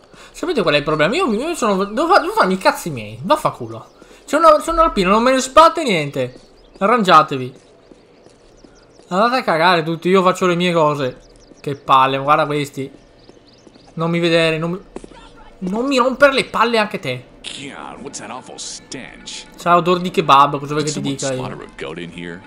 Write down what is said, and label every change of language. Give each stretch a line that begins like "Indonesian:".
Italian: Sapete qual è il problema? Io sono. Devo farmi i cazzi miei. Vaffanculo. C'è una alpina, non me ne sbatte niente. Arrangiatevi. Andate a cagare tutti, io faccio le mie cose. Che palle, guarda questi. Non mi vedere, non mi rompere le palle anche te.
English: God, what's that awful stench?
Italian: C'è l'odore di kebab, cosa vuoi che ti dica io?